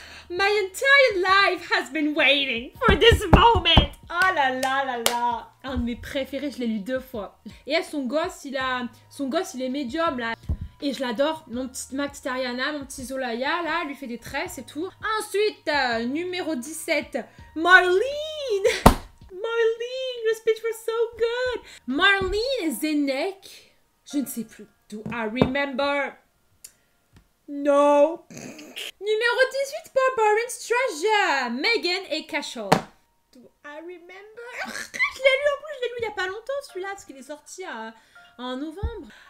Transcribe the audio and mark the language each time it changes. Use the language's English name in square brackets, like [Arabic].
[English] My entire life has been waiting for this moment! [French] Oh là là là là! Un de mes préférés, je l'ai lu deux fois. Et elle, son gosse, il est médium là. Et je l'adore, ma petite Ariana, mon petit Zolaya, là, lui fait des tresses et tout. Ensuite, numéro 17, Marlene. [English] Marlene, your speech was so good. [French] Marlene et Zenek, je ne sais plus. [English] Do I remember? No. [French] Numéro 18, Barbarian's Treasure, Megan et Cashel. [English] Do I remember? [French] Je l'ai lu en plus, je l'ai lu il n'y a pas longtemps celui-là, parce qu'il est sorti en novembre.